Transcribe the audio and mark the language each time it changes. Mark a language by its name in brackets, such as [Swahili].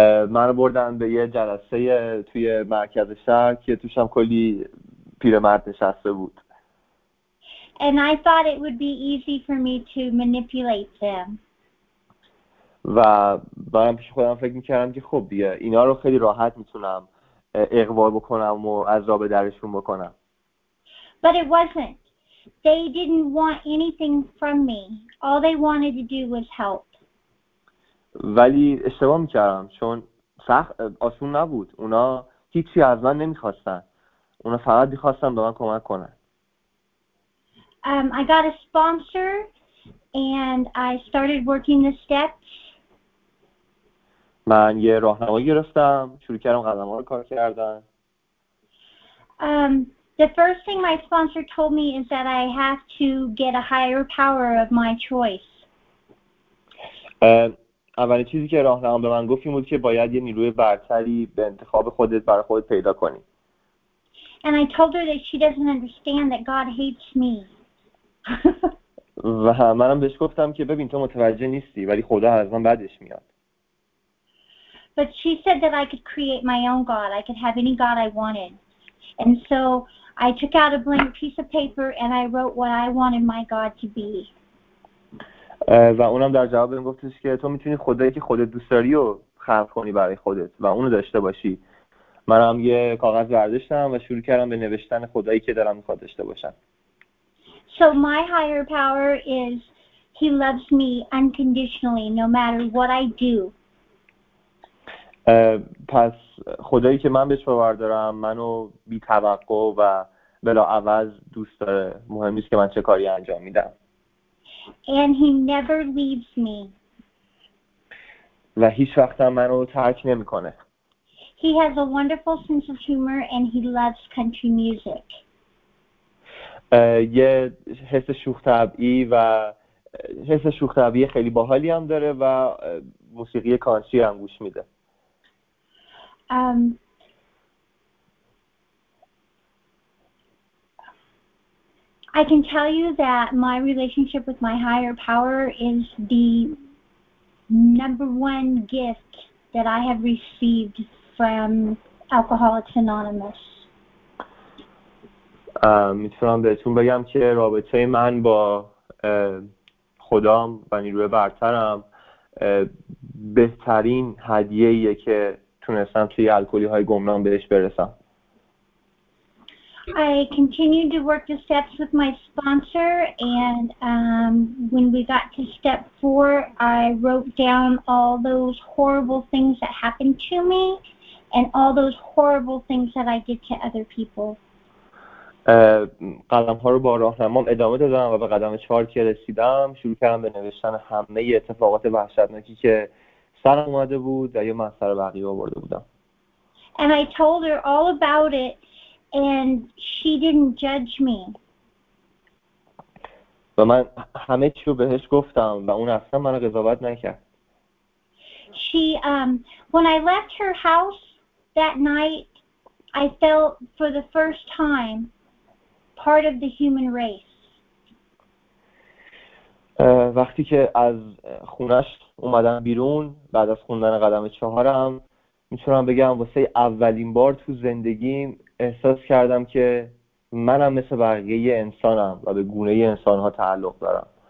[Persian] من رو بردن به یه جلسه توی مرکز شهر که توش هم کلی پیرمرد نشسته بود. [English] And I thought it would be easy for me to manipulate them. [Persian] و منم پیش خودم فکر میکردم که خب دیگه اینا رو خیلی راحت میتونم اغوا بکنم و از راه به درشون بکنم. [English] But it wasn't. They didn't want anything from me. All they wanted to do was help. [Persian] ولی اشتباه میکردم چون سخت آسون نبود. اونا هیچی از من نمیخواستن. اونا فقط میخواستن به من کمک کنن. [English] I got a sponsor and I started working the steps. [Persian] من یه راهنمایی گرفتم، شروع کردم قدم ها رو کار کردن. [English] The first thing my sponsor told me is that I have to get a higher power of my choice. [Persian] اولین چیزی که راهنما به من گفت این بود که باید یه نیروی برتری به انتخاب خودت برای خودت پیدا کنی. [English] And I told her that she doesn't understand that God hates me. [Persian] و منم بهش گفتم که ببین تو متوجه نیستی ولی خدا از من بعدش میاد. [English] But she said that I could create my own God. I could have any God I wanted. And so I took out a blank piece of paper and I wrote what I wanted my God to be. [Persian] و اونم در جواب بهم گفتش که تو میتونی خدایی که خودت دوست داری رو خلق کنی برای خودت و اونو داشته باشی. منم یه کاغذ برداشتم و شروع کردم به نوشتن خدایی که دارم میخواد داشته باشم. [English] So my higher power is he loves me unconditionally no matter what I do. [Persian] پس خدایی که من بهش باور دارم منو بی توقع و بلا عوض دوست داره، مهم نیست که من چه کاری انجام میدم. [English] And he never leaves me. [Persian] و هیچ وقت منو ترک نمی کنه. [English] He has a wonderful sense of humor and he loves country music. [Persian] یه حس شوخ طبعی و حس شوخ طبعی خیلی باحالی هم داره و موسیقی کانتری هم گوش میده. [English] I can tell you that my relationship with my higher power is the number one gift that I have received from Alcoholics Anonymous. [Persian] میتونم بهتون بگم که رابطه من با خدام و نیروی برترم بهترین هدیه‌ایه که تونستم توی الکلی‌های گمنام بهش برسم. [English] I continued to work the steps with my sponsor, and when we got to step 4, I wrote down all those horrible things that happened to me and all those horrible things that I did to other people. [Persian] قدم‌ها رو با راهنمام ادامه دادم و به قدم 4 که رسیدم شروع کردم به نوشتن همه اتفاقات وحشتناکی که سرم اومده بود و یا من سر بقیه آورده بودم. [English] And I told her all about it and she didn't judge me. [Persian] و من همه چی رو بهش گفتم و اون اصلا منو قضاوت نکرد. [English] She when I left her house that night I felt for the first time part of the human race. [Persian] وقتی که از خونش اومدم بیرون بعد از خوندن قدم 4م میتونم بگم واسه اولین بار تو زندگیم احساس کردم که منم مثل بقیه انسانم و به گونه انسان‌ها تعلق دارم.